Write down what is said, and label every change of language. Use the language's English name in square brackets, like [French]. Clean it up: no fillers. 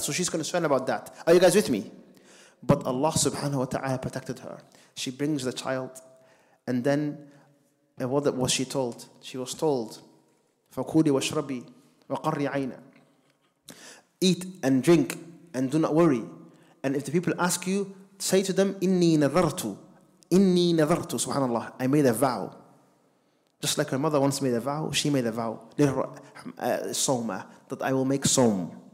[English] So she's concerned about that. Are you guys with me? But Allah subhanahu wa ta'ala protected her. She brings the child. And then what was she told? She was told, [Arabic] فَكُولِ وَشْرَبِي وَقَرِّ عَيْنَا. [English] Eat and drink and do not worry. And if the people ask you, say to them, [Arabic] إِنِّي نَذَرْتُ, [English] subhanAllah, I made a vow. Just like her mother once made a vow, she made a vow, صومه, that I will make صوم.